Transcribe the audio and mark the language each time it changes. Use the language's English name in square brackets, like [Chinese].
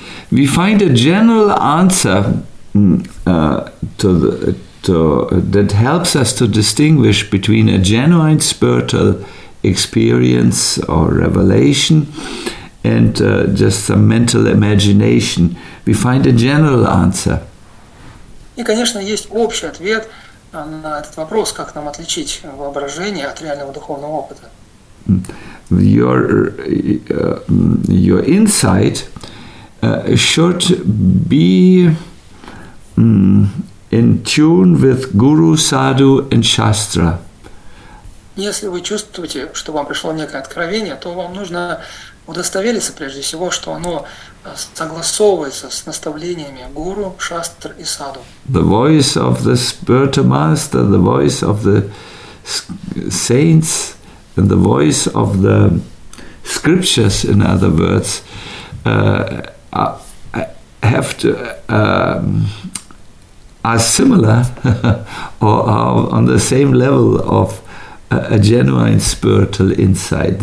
[English] We find a general answer that helps us to distinguish between a genuine spiritual experience or revelation and just some mental imagination. We find a general answer. [Russian] И, конечно, есть общий ответ на этот вопрос, как нам отличить воображение от реального духовного опыта. [English] Your insight should be in tune with Guru, Sadhu and Shastra. [Russian] Если вы чувствуете, что вам пришло некое откровение, то вам нужно удостовериться прежде всего, что оно согласовывается с наставлениями Гуру, Шастр и Саду. [English] The voice of the spiritual master, the voice of the saints, and the voice of the scriptures, in other words, have to are similar or are on the same level of a genuine spiritual insight.